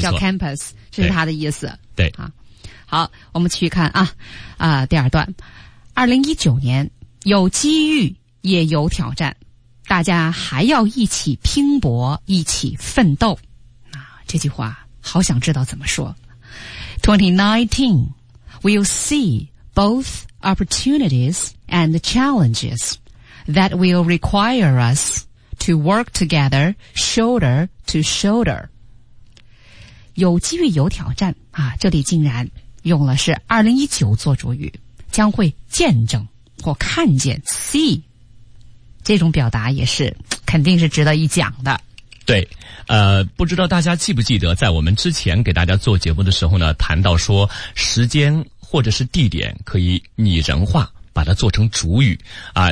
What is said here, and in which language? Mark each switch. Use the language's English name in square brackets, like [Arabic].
[Chinese] 叫 campus， 这是它的意思。对，啊，好，我们继续看啊，第二段， 2019 年有机遇也有挑战，大家还要一起拼搏，一起奋斗。啊，这句话好想知道怎么说。 [English] 2019 we'll see both opportunities and the challenges that will require us to work together shoulder to shoulder。 [Chinese] 有机遇有挑战啊，这里竟然用了是2019做主语，将会见证或看见 see， 这种表达也是肯定是值得一讲的。对，不知道大家记不记得在我们之前给大家做节目的时候呢，谈到说时间或者是地点可以拟人化，把它做成主语啊。